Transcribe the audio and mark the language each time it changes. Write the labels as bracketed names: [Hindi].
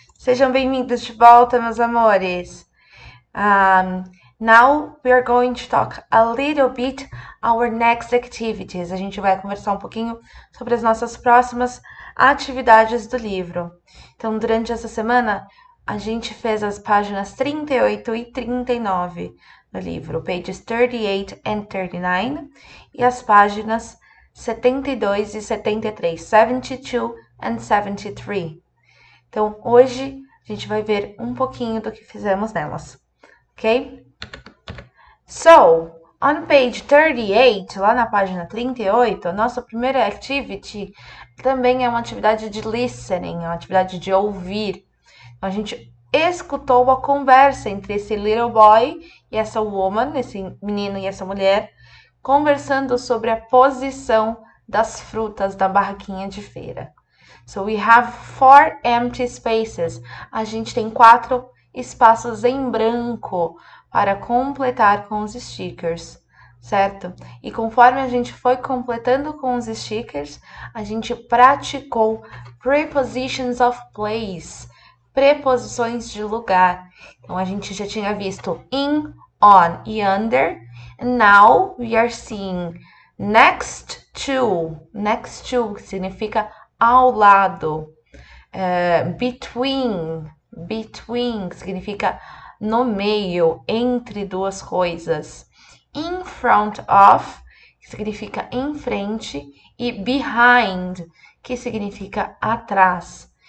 [Portuguese] Sejam bem-vindos de volta, meus amores. [English] Now we are going to talk a little bit our next activities. [Portuguese] A gente vai conversar um pouquinho sobre as nossas próximas atividades do livro. Então, durante essa semana, a gente fez as páginas 38 e 39 do livro, [English] pages 38 and 39, [Portuguese] e as páginas 72 e 73, [English] 72 and 73. [Portuguese] Então, hoje a gente vai ver um pouquinho do que fizemos nelas, ok? [English] So, on page 38, [Portuguese] lá na página 38, a nossa primeira activity também é uma atividade de listening, uma atividade de ouvir. Então, a gente escutou a conversa entre esse little boy e essa woman, esse menino e essa mulher, conversando sobre a posição das frutas da barraquinha de feira. [English] So we have four empty spaces. [Portuguese] A gente tem quatro espaços em branco para completar com os stickers, certo? E conforme a gente foi completando com os stickers, a gente praticou [English] prepositions of place, [Portuguese] preposições de lugar. Então a gente já tinha visto in, on e under. [English] Now we are seeing next to. [Portuguese] Next to significa ao lado. Between significa no meio, entre duas coisas. In front of significa em frente e behind que significa atrás.